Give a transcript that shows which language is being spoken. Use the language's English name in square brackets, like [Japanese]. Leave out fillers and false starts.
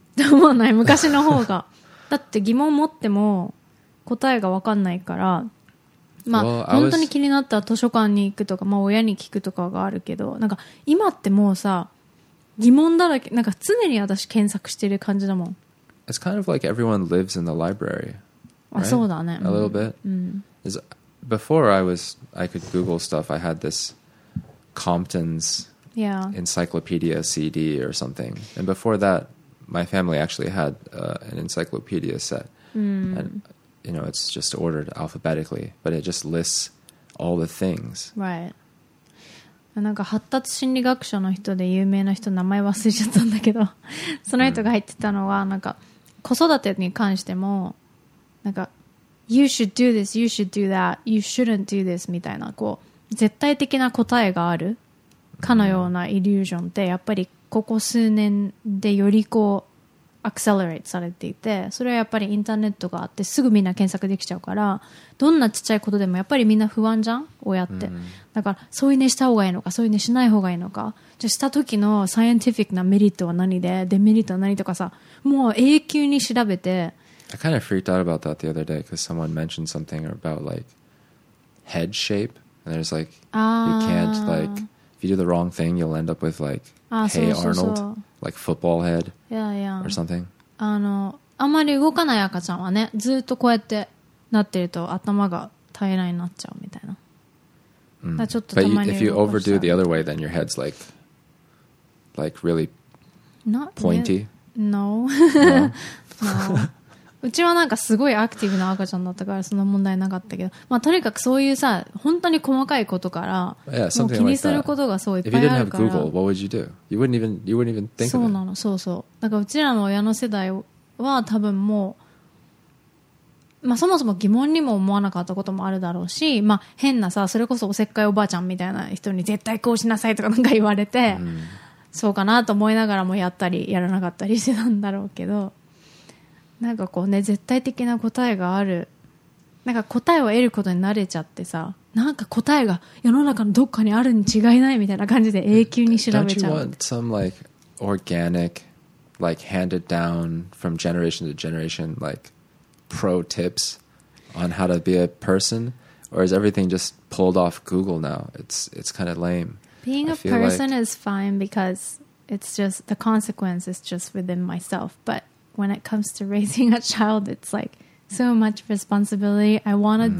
[Japanese] 思わない、昔の方が。だって疑問持っても答えが分かんないから、まあ、well, 本当に気になったら図書館に行くとか、まあ、親に聞くとかがあるけど、なんか今ってもうさ疑問だらけ、なんか常に私検索してる感じだもん。 [English] It's kind of like everyone lives in the library、right? [Japanese] あ、そうだね。 [English] A little bit、うん、 Is, Before I was I could Google stuff I had this Compton's、 yeah. Encyclopedia CD or something. And before that my family actually had、an encyclopedia set、うん、 And you know it's just ordered alphabetically, but it just lists all the things. [Japanese] Rightなんか発達心理学者の人で有名な人名前忘れちゃったんだけどその人が入ってたのはなんか子育てに関してもなんか [English] You should do this, [Japanese] you should do that, you shouldn't do this みたいなこう絶対的な答えがあるかのようなイリュージョンってやっぱりここ数年でよりこうアクセラレートされていてそれはやっぱりインターネットがあってすぐみんな検索できちゃうからどんなちっちゃいことでもやっぱりみんな不安じゃん親って、うん、だからそういうねした方がいいのかそういうねしない方がいいのかじゃあした時のサイエンティフィックなメリットは何でデメリットは何とかさもう永久に調べて [English] I kind of freaked out about that the other day because someone mentioned something about like head shape and there's like you can't like if you do the wrong thing you'll end up with like Hey Arnold Like football head yeah, yeah. or something. [Japanese] あの、あまり動かない赤ちゃんはね、ずっとこうやってなってると頭が平らになっちゃうみたいな。 [English] Mm. [Japanese] ちょっとたまに動かした。 [English] But you, if you overdo the other way, then your head's like really not pointy. No. no. [Japanese] うちはなんかすごいアクティブな赤ちゃんだったからそんな問題なかったけど、まあとにかくそういうさ本当に細かいことから、 yeah, もう気にすることがそういっぱいあるから。 [English] If you didn't have Google, what would you do? You wouldn't even think of it. [Japanese] そうなの、そうそう。だからうちらの親の世代は多分もう、まあそもそも疑問にも思わなかったこともあるだろうし、まあ変なさそれこそおせっかいおばあちゃんみたいな人に絶対こうしなさいとかなんか言われて、 mm. そうかなと思いながらもやったりやらなかったりしてたんだろうけど。なんかこうね絶対的な答えがあるなんか答えを得ることに慣れちゃってさなんか答えが世の中のどっかにあるに違いないみたいな感じで永久に調べちゃう [English] Don't you want some like organic like handed down from generation to generation like pro tips on how to be a person or is everything just pulled off Google now it's kind of lame Being a person is fine because it's just the consequence is just within myself butWhen it comes to raising a child, it's like so much responsibility. I want to、mm.